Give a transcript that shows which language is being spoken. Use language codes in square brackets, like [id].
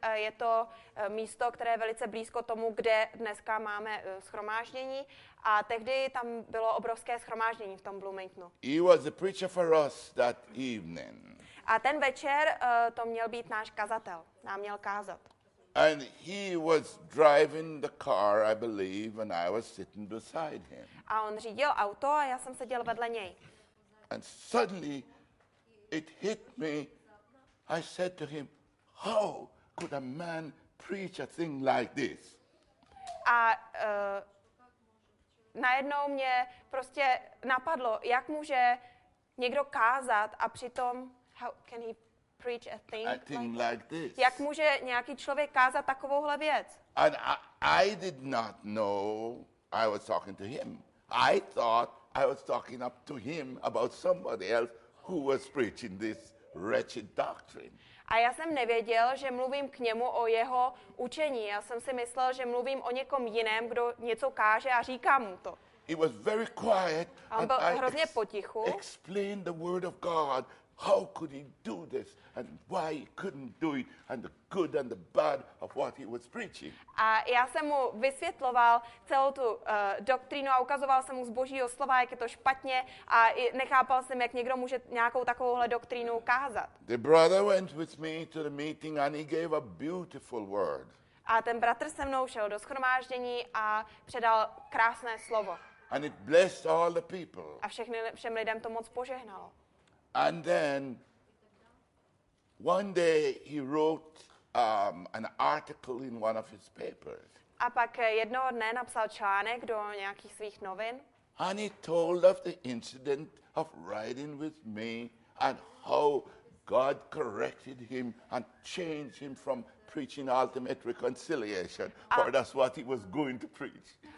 [cs] Je to místo, které je velice blízko tomu, kde dneska máme shromáždění. A tehdy tam bylo obrovské shromáždění v tom Bloomingtonu. [en] He was the preacher for us that evening. [cs] A ten večer to měl být náš kazatel, nám měl kázat. [en] And he was driving the car, I believe, and I was sitting beside him. [cs] A on řídil auto a já jsem seděl vedle něj. [en] And suddenly it hit me. I said to him, how could a man preach a thing like this? [cs] A najednou mě prostě napadlo, jak může někdo kázat a přitom, [en] how can he preach a thing like this? [cs] Jak může nějaký člověk kázat takovouhle věc? [en] And I did not know I was talking to him. I thought I was talking up to him about somebody else who was preaching this wretched doctrine. [cs] A já jsem nevěděl, že mluvím k němu o jeho učení. Já jsem si myslel, že mluvím o někom jiném, kdo něco káže a říká mu to. [en] He was very quiet. [cs] A on byl hrozně potichu. [en] Explained the word of God. How could he do this and why he couldn't do it and the good and the bad of what he was preaching. [cs] A já jsem mu vysvětloval celou tu doktrínu a ukazoval jsem mu z Božího slova, jak je to špatně a nechápal jsem, jak někdo může nějakou takovouhle doktrínu kázat. [en] The brother went with me to the meeting and he gave a beautiful word. [cs] A ten bratr se mnou šel do shromáždění a předal krásné slovo. [en] And it blessed all the people. [cs] A všem lidem to moc požehnalo. [en] And then one day he wrote an article in one of his papers. [cs] A pak jednoho dne napsal článek do nějakých svých novin. [en] And he told of the incident of riding with me and how God corrected him and changed him from preaching ultimate reconciliation, for that's what he was going to preach.